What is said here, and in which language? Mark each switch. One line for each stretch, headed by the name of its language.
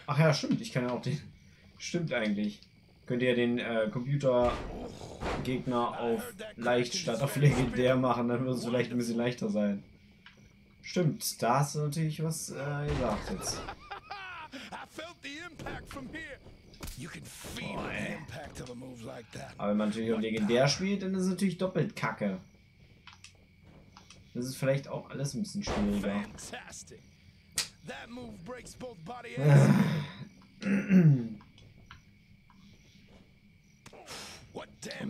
German: Ach ja, stimmt, ich kann ja auch den. Stimmt eigentlich. Könnt ihr den Computergegner auf leicht statt auf legendär machen, dann wird es vielleicht ein bisschen leichter sein. Stimmt, da hast du natürlich was gesagt jetzt.
English: I felt the impact from here. You can feel the impact of a move like that.
German: Aber wenn man natürlich auch legendär spielt, dann ist es natürlich doppelt kacke. Das ist vielleicht auch alles ein bisschen schwieriger.
English: Fantastic. That move breaks both body and what damn.